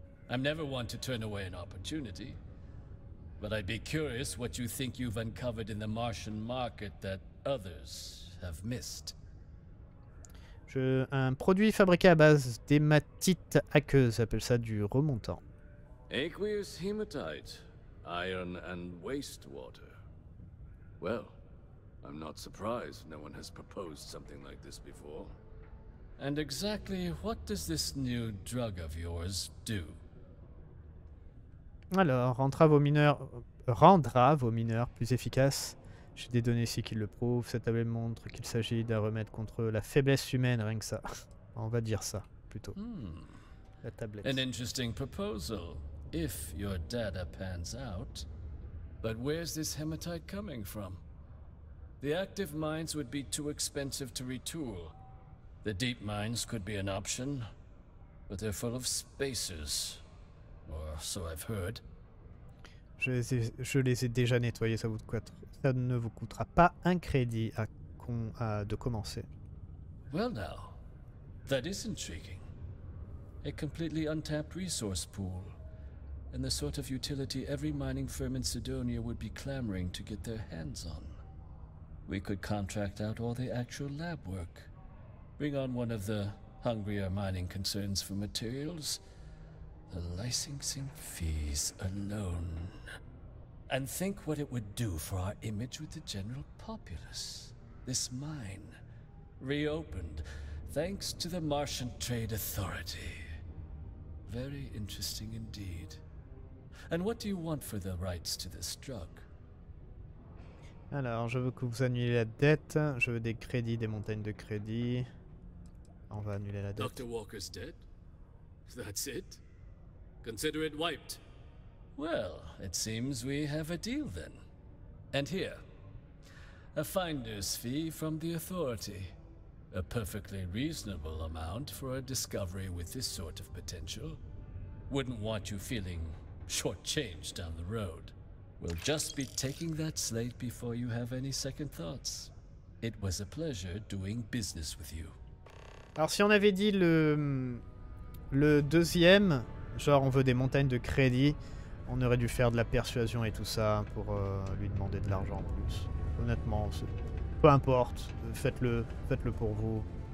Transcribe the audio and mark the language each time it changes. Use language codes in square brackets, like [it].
[en] I'm never one to turn away an opportunity, but I'd be curious what you think you've uncovered in the Martian market that others have missed. [fr] Un produit fabriqué à base d'hématite aqueuse, ça s'appelle ça du remontant. [en] Aqueous hematite, iron and wastewater. Well, I'm not surprised no one has proposed something like this before. And exactly what does this new drug of yours do? [fr] Alors, rendra vos mineurs plus efficaces. J'ai des données ici qui le prouvent. Cette table montre qu'il s'agit d'un remède contre la faiblesse humaine, rien que ça. On va dire ça, plutôt. La tablette. [en] An interesting proposal, if your data pans out. But where's this hematite coming from? The active mines would be too expensive to retool. The deep mines could be an option, but they're full of spacers, or so I've heard. [fr] Je les ai déjà nettoyés, ça ne vous coûtera pas un crédit de commencer. [en] Well now, that is intriguing. A completely untapped resource pool, and the sort of utility every mining firm in Sidonia would be clamoring to get their hands on. We could contract out all the actual lab work. Bring on one of the hungrier mining concerns for materials. The licensing fees alone. And think what it would do for our image with the general populace. This mine, reopened, thanks to the Martian Trade Authority. Very interesting indeed. And what do you want for the rights to this drug? [fr] Alors, je veux que vous annuliez la dette. Je veux des crédits, des montagnes de crédits. On va annuler la dette. [en] Dr. Walker's dead? That's it? Consider it wiped. Well, it seems we have a deal then. And here. A finder's fee from the authority. A perfectly reasonable amount for a discovery with this sort of potential. Wouldn't want you feeling shortchanged down the road. We'll just be taking that slate before you have any second thoughts. It was a pleasure doing business with you. [fr] Alors si on avait dit le deuxième, genre on veut des montagnes de crédit, on aurait dû faire de la persuasion et tout ça pour lui demander de l'argent en plus. Honnêtement, peu importe, faites-le pour vous.